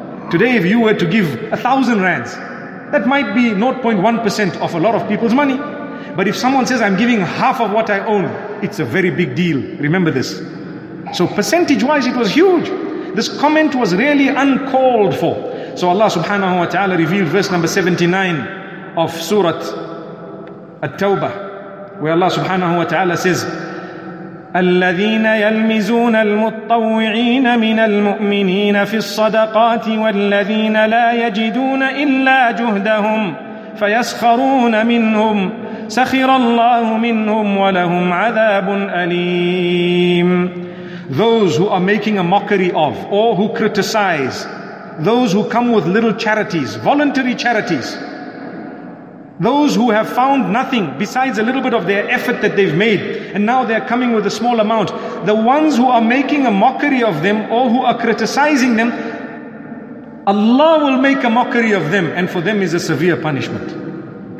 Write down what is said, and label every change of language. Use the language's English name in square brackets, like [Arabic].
[English] Today if you were to give 1,000 rands, that might be 0.1% of a lot of people's money. But if someone says, "I'm giving half of what I own," it's a very big deal. Remember this. So percentage wise, it was huge. This comment was really uncalled for. So Allah subhanahu wa ta'ala revealed verse number 79 of Surah At-Tawbah, where Allah subhanahu wa ta'ala says, [Arabic] الَّذِينَ يَلْمِزُونَ الْمُطَّوِّعِينَ مِنَ الْمُؤْمِنِينَ فِي الصَّدَقَاتِ وَالَّذِينَ لَا يَجِدُونَ إِلَّا جُهْدَهُمْ فَيَسْخَرُونَ مِنْهُمْ سَخِرَ اللَّهُ مِنْهُمْ وَلَهُمْ عَذَابٌ أَلِيمٌ. [English] Those who are making a mockery of, or who criticize, those who come with little charities, voluntary charities, those who have found nothing besides a little bit of their effort that they've made, and now they're coming with a small amount, the ones who are making a mockery of them or who are criticizing them, Allah will make a mockery of them, and for them is a severe punishment.